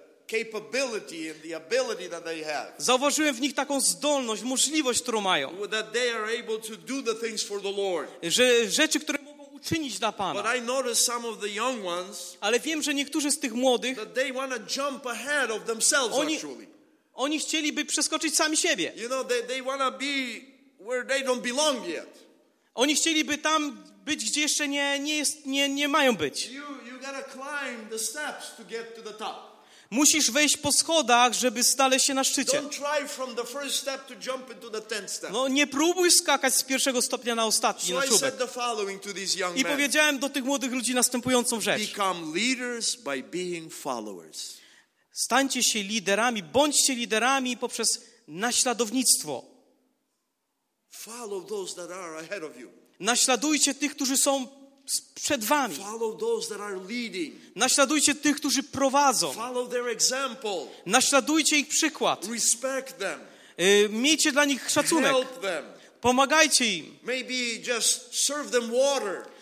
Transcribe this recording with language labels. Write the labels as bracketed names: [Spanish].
[English] Capability and the ability that they have. [Polish] Zauważyłem w nich taką zdolność, możliwość, którą mają. [English] That they are able to do the things for the Lord. [Polish] Że rzeczy, które mogą uczynić dla Pana. [English] But I noticed some of the young ones. [Polish] Ale wiem, że niektórzy z tych młodych. [English] That they want to jump ahead of themselves. [Polish] Oni chcieliby przeskoczyć sami siebie. [English] You know, they want to be where they don't belong yet. [Polish] Oni chcieliby tam być, gdzie jeszcze nie mają być. [English] You gotta climb the steps to get to the top. [Polish] Musisz wejść po schodach, żeby znaleźć się na szczycie. [English] Don't try from the first step to jump into the tenth step. [Polish] No nie próbuj skakać z pierwszego stopnia na ostatni, [English] so [Polish] na czubek. [English] I said the following to these young men. [Polish] I powiedziałem do tych młodych ludzi następującą rzecz. [English] Become leaders by being followers. [Polish] Stańcie się liderami, bądźcie liderami poprzez naśladownictwo. [English] Follow those that are ahead of you. [Polish] Naśladujcie tych, którzy są przed wami. [English] Follow those that are leading. [Polish] Naśladujcie tych, którzy prowadzą. [English] Follow their example. [Polish] Naśladujcie ich przykład. [English] Respect them. [Polish] Miejcie dla nich szacunek. [English] Help them. [Polish] Pomagajcie im. [English] Maybe just serve them water.